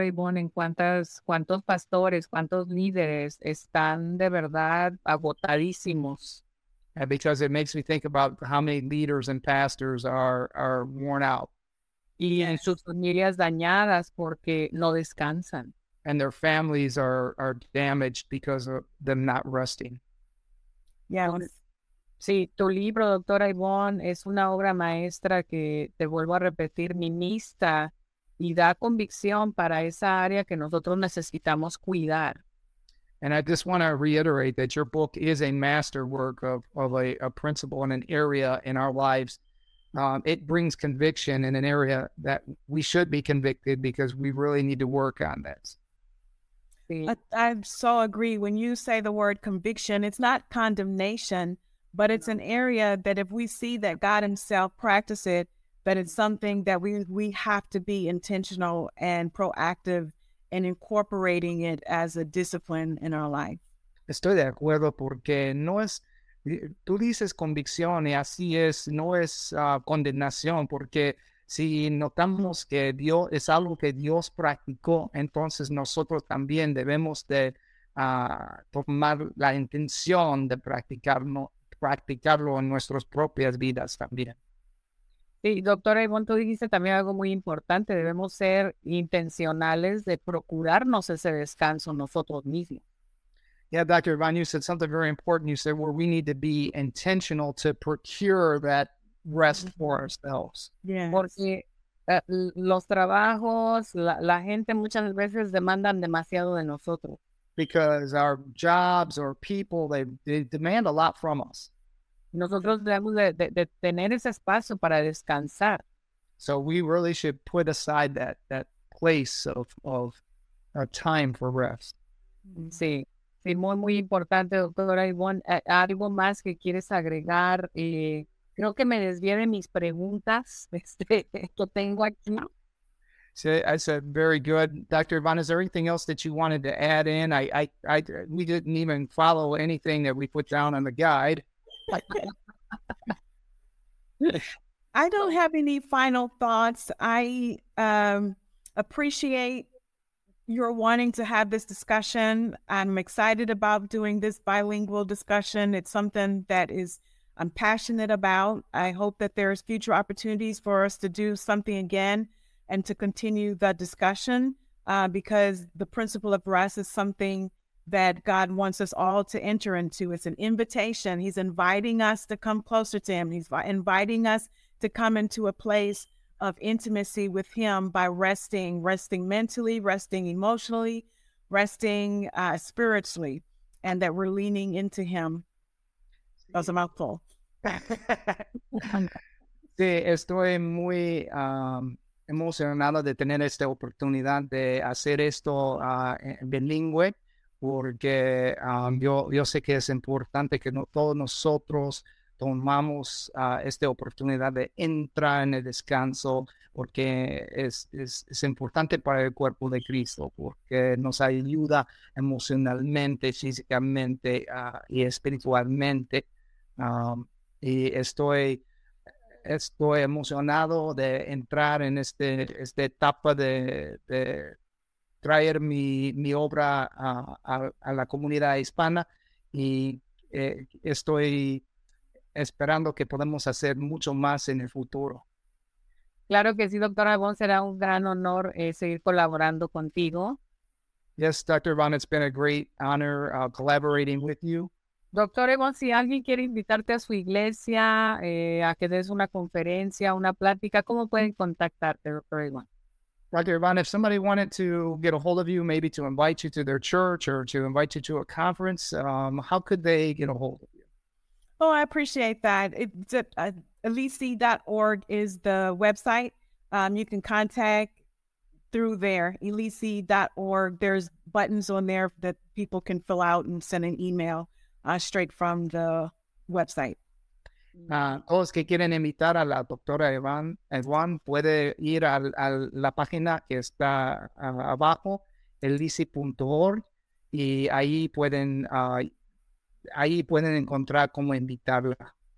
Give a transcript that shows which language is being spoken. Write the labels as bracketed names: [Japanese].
[Spanish] Iván, en cuántos pastores, cuántos líderes están de verdad agotadísimos. [English] And because it makes me think about how many leaders and pastors are worn out. [Spanish] Y en sus familias dañadas porque no descansan. [English] And their families are damaged because of them not resting. Yeah. [Spanish] Sí, tu libro, Dr. Iván, es una obra maestra que, te vuelvo a repetir, ministra y da convicción para esa área que nosotros necesitamos cuidar. [English] And I just want to reiterate that your book is a masterwork of a principle in an area in our lives. It brings conviction in an area that we should be convicted because we really need to work on this. I so agree. When you say the word conviction, it's not condemnation, but it's an area that if we see that God himself practices it, but it's something that we have to be intentional and proactive in incorporating it as a discipline in our life. [Spanish] Estoy de acuerdo porque no es, tú dices convicción y así es, no es condenación, porque si notamos que Dios es algo que Dios practicó, entonces nosotros también debemos de tomar la intención de practicarlo en nuestras propias vidas también. Sí, doctora Ivonne, tú dijiste también algo muy importante, debemos ser intencionales de procurarnos ese descanso nosotros mismos. [English] Yeah, Dr. Ivan, you said something very important. You said, well, we need to be intentional to procure that rest for ourselves. Yeah. [Spanish] Porque los trabajos, la gente muchas veces demandan demasiado de nosotros. [English] Because our jobs or people, they demand a lot from us. [Spanish] Nosotros debemos de tener ese espacio para descansar. [English] So we really should put aside that place of our time for rest. [Spanish] Sí. Sí, muy, muy importante, doctora Ivonne. ¿Algo más que quieres agregar? Creo que me desvié de mis preguntas que tengo aquí. [English] So I said, very good. Dr. Ivonne, is there anything else that you wanted to add in? We didn't even follow anything that we put down on the guide. I don't have any final thoughts. I appreciate you're wanting to have this discussion. I'm excited about doing this bilingual discussion. It's something that I'm passionate about. I hope that there's future opportunities for us to do something again and to continue the discussion because the principle of rest is something that God wants us all to enter into. It's an invitation. He's inviting us to come closer to him. He's inviting us to come into a place of intimacy with him by resting mentally, resting emotionally, resting spiritually, and that we're leaning into him. That was a mouthful. [Spanish] Sí, estoy muy emocionado de tener esta oportunidad de hacer esto bilingüe, porque yo sé que es importante que no todos nosotros tomamos esta oportunidad de entrar en el descanso, porque es importante para el cuerpo de Cristo, porque nos ayuda emocionalmente, físicamente y espiritualmente. Y estoy emocionado de entrar en esta etapa de traer mi obra a la comunidad hispana, y estoy esperando que podamos hacer mucho más en el futuro. Claro que sí, doctora Ivonne, será un gran honor seguir colaborando contigo. [English] Yes, Dr. Ivonne, it's been a great honor collaborating with you. [Spanish] Doctora Ivonne, si alguien quiere invitarte a su iglesia a que des una conferencia, una plática, ¿cómo pueden contactarte, doctora Ivonne? [English] Dr. Ivonne, if somebody wanted to get a hold of you, maybe to invite you to their church or to invite you to a conference, how could they get a hold of you? Oh, I appreciate that. It's elisi.org is the website. You can contact through there, elisi.org. There's buttons on there that people can fill out and send an email straight from the website. [Spanish] Todos que quieren invitar a la doctora Ivonne puede ir a la página que está abajo, elisi.org, y ahí pueden encontrar cómo invitarla.